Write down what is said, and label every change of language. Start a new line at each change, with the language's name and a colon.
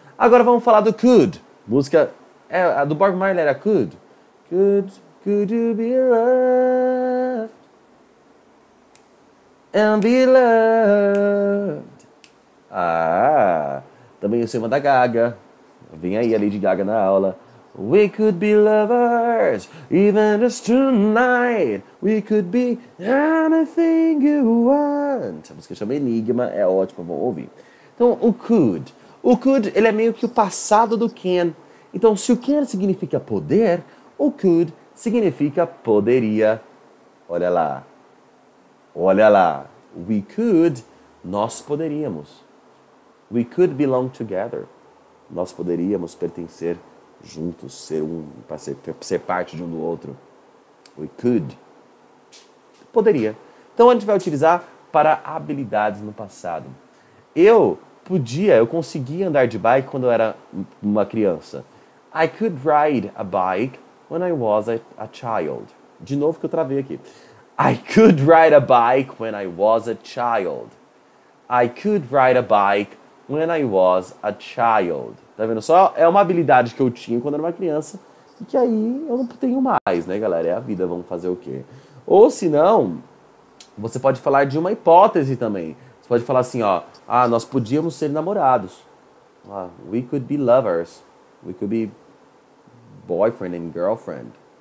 Portuguese: Agora vamos falar do could. Música é, a do Bob Marley era could.
English: Could you be loved? And be loved.
Portuguese: Ah, também o cinema da Gaga. Vem aí a Lady Gaga na aula.
English: We could be lovers, even just tonight. We could be anything you want.
Portuguese: A música chama Enigma, é ótimo, vamos ouvir. Então, o could. O could, ele é meio que o passado do can. Então, se o can significa poder, o could significa poderia. Olha lá. Olha lá.
English: We could,
Portuguese: nós poderíamos.
English: We could belong together.
Portuguese: Nós poderíamos pertencer juntos, ser um, ser parte de um do outro.
English: We could.
Portuguese: Poderia. Então a gente vai utilizar para habilidades no passado. Eu conseguia andar de bike quando eu era uma criança.
English: I could ride a bike when I was a child.
Portuguese: De novo que eu travei aqui.
English: I could ride a bike when I was a child. I could ride a bike when I was a child.
Portuguese: Tá vendo só? É uma habilidade que eu tinha quando era uma criança e que aí eu não tenho mais, né, galera? É a vida, vamos fazer o quê? Ou, se não, você pode falar de uma hipótese também. Você pode falar assim, ó, ah, nós podíamos ser namorados.
English: Ah, we could be lovers. We could be boyfriend and girlfriend.